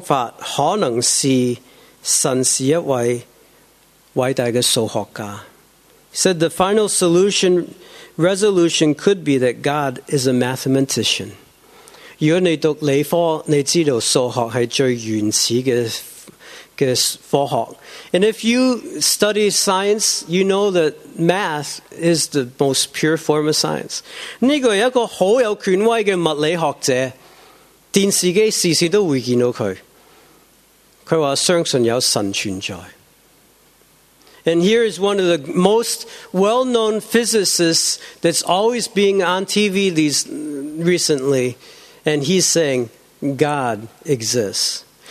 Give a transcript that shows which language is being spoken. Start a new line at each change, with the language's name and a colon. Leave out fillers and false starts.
Chinese: 最后他说，解决疑问的方法可能是 神是一位伟大的数学家。
English: He said the final resolution could be that God is a mathematician.
Chinese: 如果你读理科，你知道数学是最原始的科学。
English: And if you study science, you know that math is the most pure form of science.
Chinese: 这个是一个很有权威的物理学者，电视机时时都会见到他。
English: And here is one of the most well-known physicists that's always being on TV these recently, and he's saying, God exists.